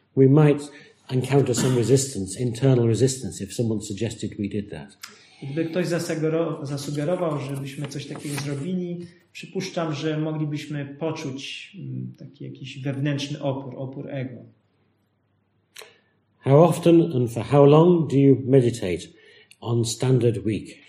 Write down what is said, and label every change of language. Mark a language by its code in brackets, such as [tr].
[en] We might encounter some resistance, internal resistance, if someone suggested we did that. [pl] Gdyby ktoś zasugerował, żebyśmy coś takiego zrobili, przypuszczam, że moglibyśmy poczuć taki jakiś wewnętrzny opór, opór ego. [en] How often and for how long do you meditate on standard week?